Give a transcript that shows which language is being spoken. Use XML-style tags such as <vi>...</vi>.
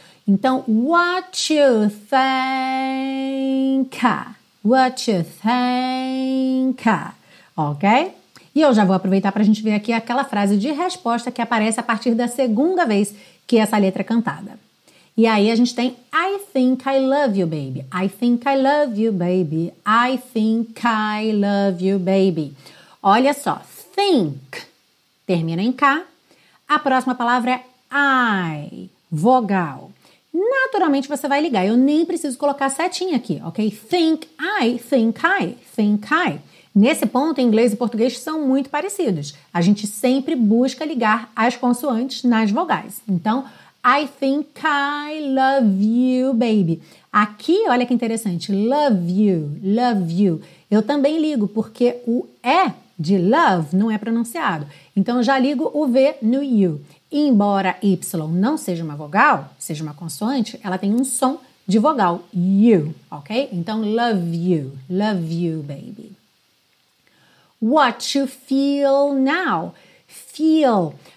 <pt>Então,</pt> <en>what you think, what you think, ok?</en> <pt>E eu já vou aproveitar para a gente ver aqui aquela frase de resposta que aparece a partir da segunda vez que essa letra é cantada. E aí a gente tem</pt> <en>I think I love you, baby, I think I love you, baby, I think I love you, baby.</en> <pt>Olha só, think termina em K, a próxima palavra é I, vogal. Naturalmente você vai ligar, eu nem preciso colocar setinha aqui, ok?</pt> <en>Think I, think I, think I.</en> <pt>Nesse ponto, inglês e português são muito parecidos. A gente sempre busca ligar as consoantes nas vogais. Então,</pt> <en>I think I love you, baby.</en> <pt>Aqui, olha que interessante,</pt> <en>love you, love you.</en> <pt>Eu também ligo, porque o E de love não é pronunciado. Então, eu já ligo o V no you. Embora Y não seja uma vogal, seja uma consoante, ela tem um som de vogal, you, ok? Então,</pt> <en>love you, baby. What you feel now? Feel.</en>